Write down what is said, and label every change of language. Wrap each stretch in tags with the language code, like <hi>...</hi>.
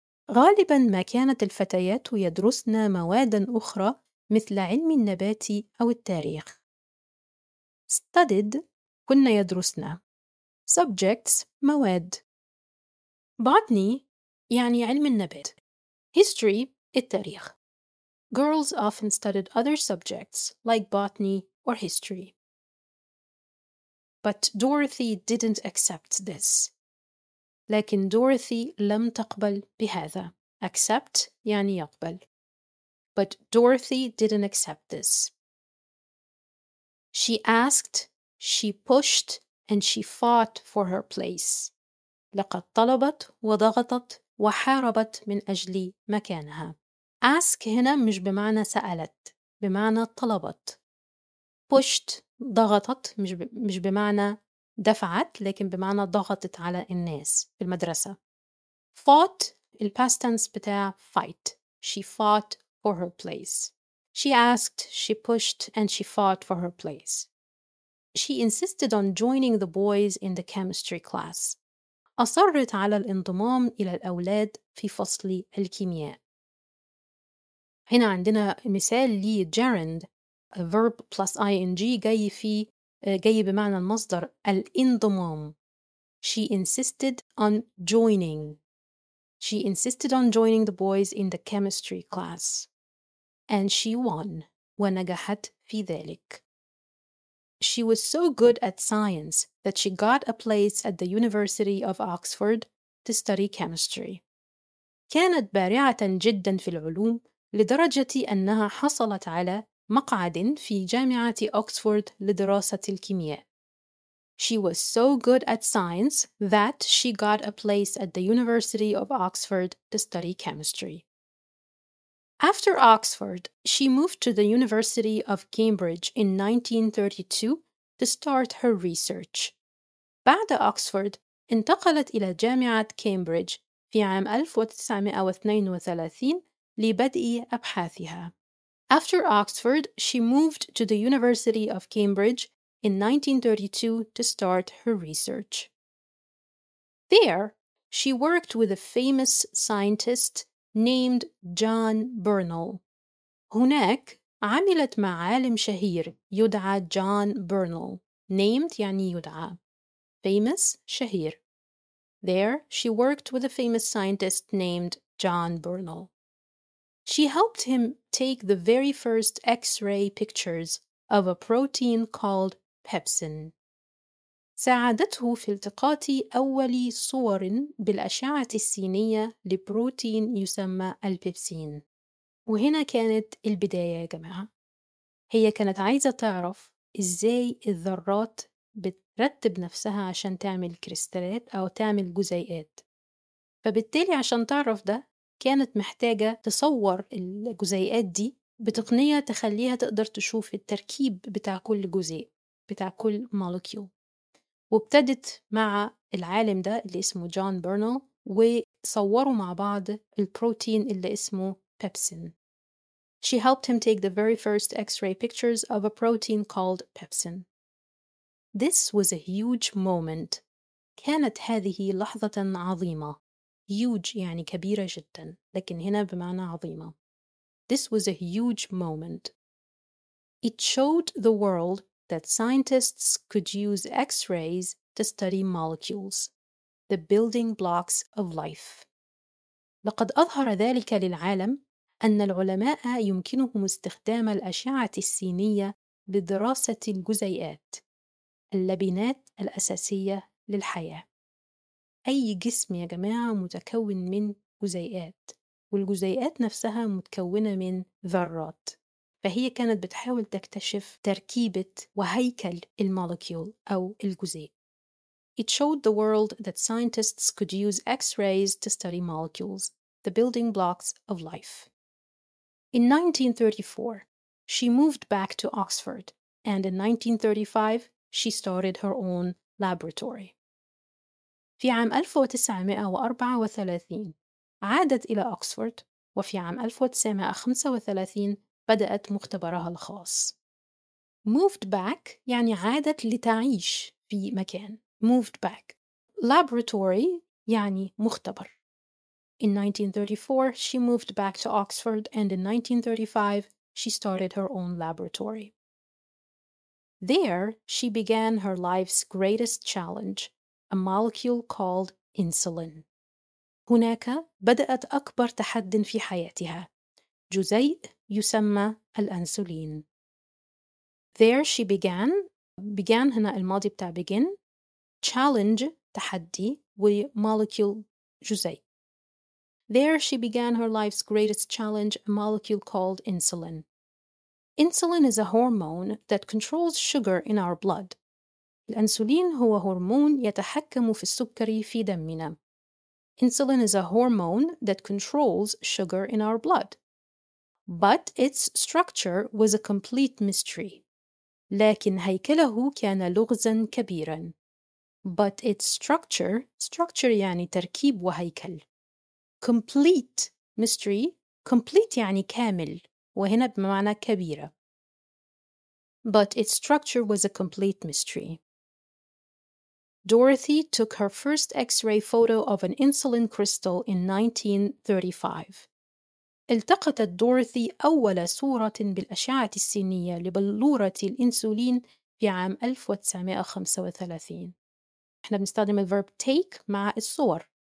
<ar>غالباً ما كانت الفتيات يدرسن مواداً أخرى مثل علم النبات أو التاريخ. Studied, كنا يدرسن. Subjects, مواد. Botany, يعني علم النبات.</ar> <en>History, التاريخ. Girls often studied other subjects, like botany or history. But Dorothy didn't accept this.</en> <ar>لكن دوروثي لم تقبل بهذا. Accept يعني يقبل.</ar> <en>But Dorothy didn't accept this. She asked, she pushed, and she fought for her place.</en> <ar>لقد طلبت وضغطت وحاربت من أجل مكانها. Ask هنا مش بمعنى سألت، بمعنى طلبت. Pushed ضغطت مش بمعنى دفعت، لكن بمعنى ضغطت على الناس في المدرسة.</ar> <en>Fought, the past tense بتاع fight. She fought for her place. She asked, she pushed, and she fought for her place. She insisted on joining the boys in the chemistry class.</en> <ar>أصرت على الانضمام إلى الأولاد في فصل الكيمياء. هنا عندنا مثال لجيرند،</ar> <en>a verb plus ing</en> <ar>جاي في جاي بمعنى المصدر الانضمام.</ar> <en>She insisted on joining. She insisted on joining the boys in the chemistry class. And she won.</en> <ar>ونجحت في ذلك.</ar> <en>She was so good at science that she got a place at the University of Oxford to study chemistry.</en> <ar>كانت بارعة جدا في العلوم لدرجة أنها حصلت على مقعد في جامعة أكسفورد لدراسة الكيمياء.</ar> <en>She was so good at science that she got a place at the University of Oxford to study chemistry. After Oxford, she moved to the University of Cambridge in 1932 to start her research.</en> <ar>بعد أكسفورد انتقلت إلى جامعة كامبريدج في عام 1932 لبدء أبحاثها.</ar> <en>After Oxford, she moved to the University of Cambridge in 1932 to start her research. There, she worked with a famous scientist named John Burnell.</en> <ar>هناك عملت مع عالم شهير يدعى John Burnell. Named يعني يدعى.</ar> <en>Famous, شهير. There, she worked with a famous scientist named John Burnell. She helped him take the very first X-ray pictures of a protein called pepsin.</en> <ar>ساعدته في التقاط أول صور بالأشعة السينية لبروتين يسمى البيبسين. وهنا كانت البداية يا جماعة. هي كانت عايزة تعرف إزاي الذرات بترتب نفسها عشان تعمل كريستالات أو تعمل جزيئات. فبالتالي عشان تعرف ده كانت محتاجة تصور الجزيئات دي بتقنية تخليها تقدر تشوف التركيب بتاع كل جزيء بتاع كل مولوكيول. وابتدت مع العالم ده اللي اسمه جون بيرنل وصوروا مع بعض البروتين اللي اسمه بيبسين.</ar> <en>She helped him take the very first X-ray pictures of a protein called pepsin. This was a huge moment.</en> <ar>كانت هذه لحظة عظيمة. Huge يعني كبيرة جدا، لكن هنا بمعنى عظيمة.</ar> <en>This was a huge moment. It showed the world that scientists could use X-rays to study molecules, the building blocks of life.</en> <ar>لقد أظهر ذلك للعالم أن العلماء يمكنهم استخدام الأشعة السينية لدراسة الجزيئات، اللبنات الأساسية للحياة. أي جسم يا جماعة متكون من جزيئات، والجزيئات نفسها متكونة من ذرات. فهي كانت بتحاول تكتشف تركيبة وهيكل المولكيول أو الجزيء.</ar> <en>It showed the world that scientists could use X-rays to study molecules, the building blocks of life. In 1934, she moved back to Oxford, and in 1935, she started her own laboratory.</en> <ar>في عام 1934 عادت إلى أكسفورد، وفي عام 1935 بدأت مختبرها الخاص.</ar> <en>Moved back</en> <ar>يعني عادت لتعيش في مكان. Moved back. Laboratory يعني مختبر.</ar> <en>In 1934 she moved back to Oxford and in 1935 she started her own laboratory. There she began her life's greatest challenge, a molecule called insulin.</en> <ar>هناك بدأت أكبر تحدي في حياتها، جزيء يسمى الأنسولين.</ar> <en>There she began</en> <ar>هنا الماضي بتاع begin، challenge تحدي، ومolecule جزيء.</ar> <en>There she began her life's greatest challenge, a molecule called insulin. Insulin is a hormone that controls sugar in our blood.</en> <ar>الأنسولين هو هرمون يتحكم في السكري في دمنا.</ar> <en>Insulin is a hormone that controls sugar in our blood. But its structure was a complete mystery.</en> <ar>لكن هيكله كان لغزا كبيرا.</ar> <en>But its structure</en> <ar>يعني تركيب وهيكل.</ar> <en>Complete mystery, complete</en> <ar>يعني كامل، وهنا بمعنى كبيرة.</ar> <en>But its structure was a complete mystery. Dorothy took her first X-ray photo of an insulin crystal in 1935.</en> <ar>التقطت دوروثي أول صورة بالأشعة السينية لبلورة الإنسولين في عام 1935. إحنا بنستخدم الverb take مع الصور.</ar>